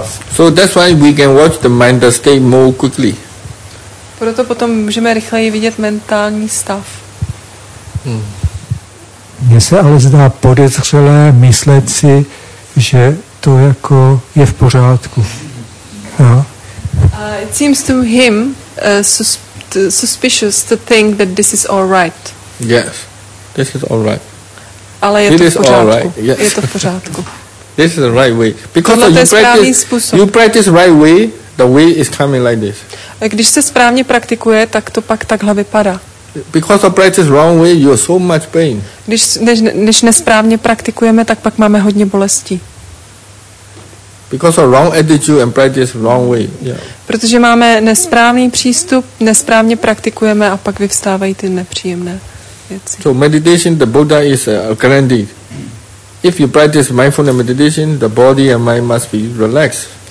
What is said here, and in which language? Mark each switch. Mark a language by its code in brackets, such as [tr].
[en] So that's why we can watch the mind state more quickly. [cs] Proto potom můžeme rychleji vidět mentální stav. Mně se ale zdá podezřelé myslet si, že to jako je v pořádku. [en] It seems to him suspicious to think that this is all right. Yes, this is all right. [cs] Ale je it to is v pořádku. [en] All right. Yes. [cs] Je to v pořádku. [en] This is the right way. Because you practice right way, the way is coming like this. [cs] Když se správně praktikuje, tak to pak takhle vypadá. [en] Because of practice wrong way, you have so much pain. [cs] Když nesprávně praktikujeme, tak pak máme hodně bolesti. [en] Because of wrong attitude and practice wrong way. Yeah. [cs] Protože máme nesprávný přístup, nesprávně praktikujeme a pak vyvstávají ty nepříjemné věci. [en] So meditation, the Buddha is guaranteed. If you practice mindfulness meditation, the body and mind must be relaxed.